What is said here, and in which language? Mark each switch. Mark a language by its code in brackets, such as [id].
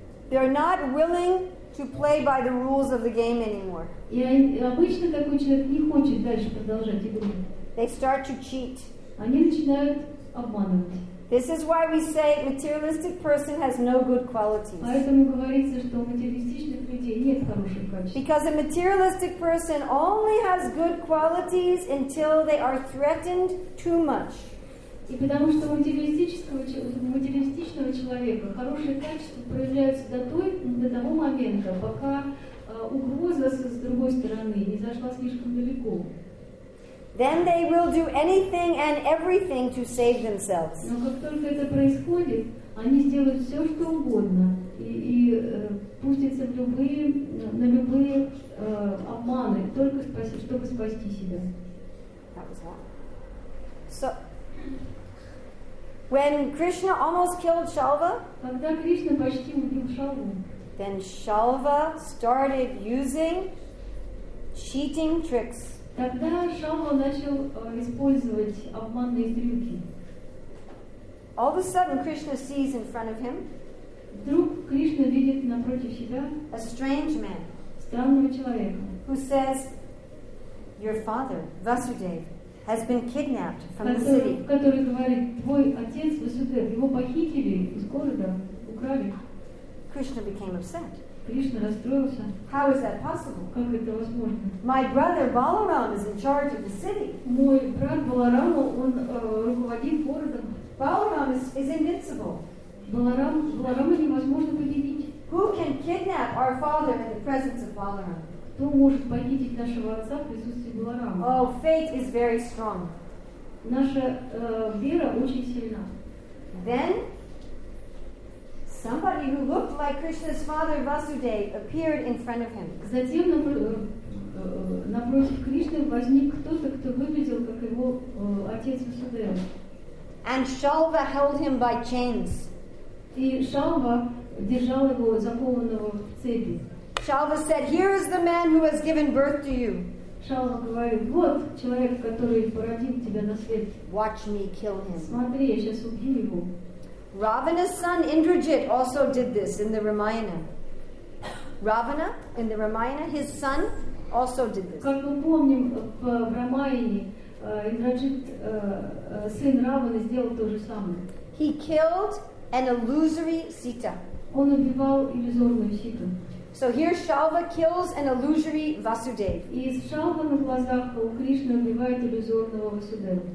[en] they're not willing to play by the rules of the game anymore. [ru] И обычно такой человек не хочет дальше продолжать игру. [en] They start to cheat. [ru] Они начинают обманывать. [en] This is why we say a materialistic person has no good qualities. [ru] Поэтому говорится, что у материалистичных людей нет хороших качеств. [en] Because a materialistic person only has good qualities until they are threatened too much. [ru] И потому что материалистичного человека хорошие качества проявляются до того момента, пока угроза с другой стороны не зашла слишком далеко. [en] Then they will do anything and everything to save themselves. [ru] Но как только это происходит, они сделают все, что угодно, и пустятся на любые обманы, только чтобы спасти себя. [en] That was wrong. So, when Krishna almost killed Shalva, [ru] когда Кришна почти убил Шалву, [en] then Shalva started using cheating tricks. [ru] Тогда Шалва начал использовать обманные трюки. [en] All of a sudden, Krishna sees in front of him. [ru] Вдруг Кришна видит напротив себя. [en] A strange man. [ru] Странного человека. [en] Who says, "Your father, Vasudev, has been kidnapped from the city." [ru] Который говорит, твой отец Васудев, его похитили из города, украли. [en] Krishna became upset. [ru] Кришна расстроился. [en] How is that possible? [ru] Как это возможно? [en] My brother Balaram is in charge of the city. [ru] Мой брат Баларама, он руководит городом. [en] Balaram is invincible. [ru] Баларама невозможно победить. [en] Who can kidnap our father in the presence of Balaram? [ru] Кто может похитить нашего отца в присутствии Баларама? [en] Oh, fate is very strong. [ru] Наша вера очень сильна. [en] Then somebody who looked like Krishna's father Vasudeva appeared in front of him. [ru] Затем напротив Кришны возник кто-то, кто выглядел как его отец Васудева. [en] And Shalva held him by chains. [ru] И Шалва держал его закованного в цепи. [en] Shalva said, "Here is the man who has given birth to you." [ru] Шалва говорит: "Вот человек, который породил тебя на свет." [en] Watch me kill him. [ru] Смотри, я сейчас убью его. [en] Ravana's son Indrajit also did this in the Ramayana. Ravana in the Ramayana, his son also did this. [ru] Как мы помним, в Рамаяне Индраджит, сын Раваны, сделал то же самое. [en] He killed an illusory Sita. [ru] Он убивал иллюзорную Ситу. [en] So here Shalva kills an illusory Vasudev. [ru] И Шалва на глазах у Кришны убивает иллюзорного Васудева.